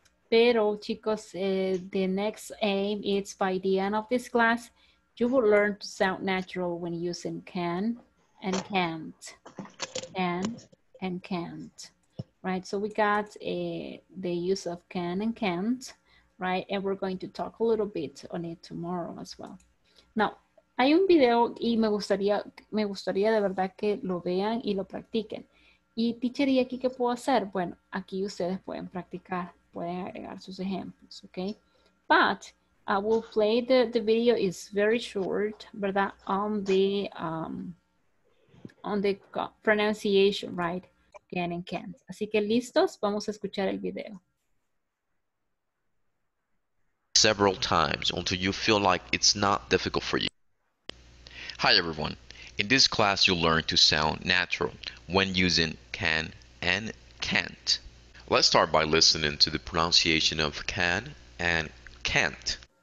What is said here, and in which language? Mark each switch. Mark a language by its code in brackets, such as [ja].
[en] Pero chicos, the next aim is by the end of this class, you will learn to sound natural when using can and can't. Can and can't, right? So we got the use of can and can't, right? And we're going to talk a little bit on it tomorrow as well. [es] Now, hay un video y me gustaría de verdad que lo vean y lo practiquen. Y teacher, ¿y aquí qué puedo hacer? Bueno, aquí ustedes pueden practicar, pueden agregar sus ejemplos, okay? [en] But I will play the video, it's very short, ¿verdad? On the pronunciation, right? Can and can't. [es] Así que listos, vamos a escuchar el video. [en] Several times until you feel like it's not difficult for you. Hi everyone. In this class you'll learn to sound natural when using can and can't. Let's start by listening to the pronunciation of can and can't.